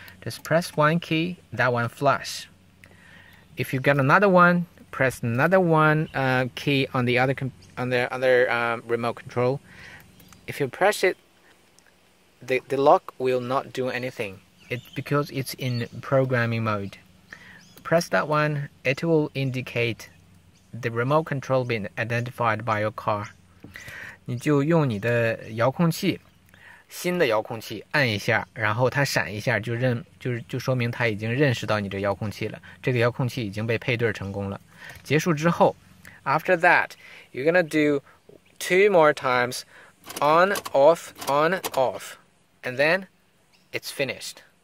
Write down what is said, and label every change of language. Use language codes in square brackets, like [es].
[en] Just press one key, that one flush. If you get another one, press another one key on the other remote control. If you press it, the lock will not do anything. It's because it's in programming mode. Press that one, it will indicate the remote control being identified by your car. [zh] 你就用你的遥控器，新的遥控器按一下，然后它闪一下，就说明它已经认识到你的遥控器了。这个遥控器已经被配对成功了。结束之后 [en] ，After that, you're gonna do two more times, on, off, on, off, and then it's finished.